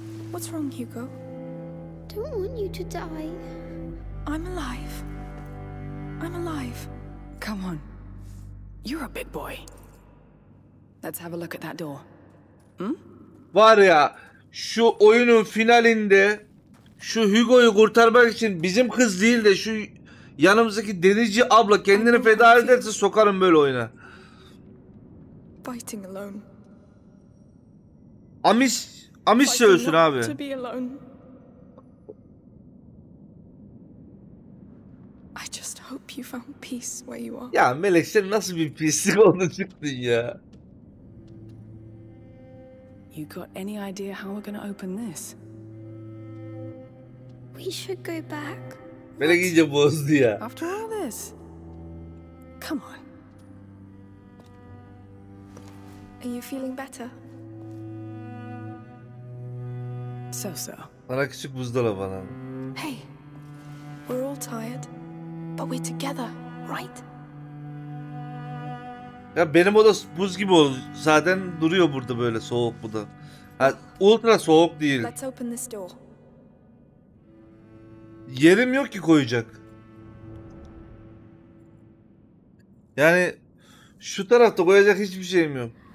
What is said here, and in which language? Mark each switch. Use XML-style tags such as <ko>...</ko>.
<en>What's wrong, Hugo? Don't want you to die. I'm alive. I'm alive. Come on. You're a big boy. Let's have a look at that door. Hmm?</en> <tr>Var ya, şu oyunun finalinde şu Hugo'yu kurtarmak için bizim kız değil de şu yanımızdaki denizci abla kendini feda ederse sokarım böyle oyuna.</tr> <en>Fighting alone.</en> <tr>Amis söylüyorsun abi.</tr> <en>I just hope you found peace where you are.</en> <tr>Ya Melek, sen nasıl bir pislik oldun çıktın ya?</tr> <en>You got any idea how we're gonna open this? We should go back.</en> <tr>Melek iyice bozdu ya.</tr> <en>After all this, come on. Are you feeling better? So.</en> <tr>Bana küçük buzdolabı alalım.</tr> <en>Hey, we're all tired. But we're together, right?</en> <tr>Ya benim oda buz gibi oldu. Zaten duruyor burada böyle soğuk bu da. Ha, ultra soğuk değil.</tr> <en>Let's open this door.</en> <tr>Yerim yok ki koyacak. Yani şu tarafta koyacak hiçbir şeyim yok.</tr>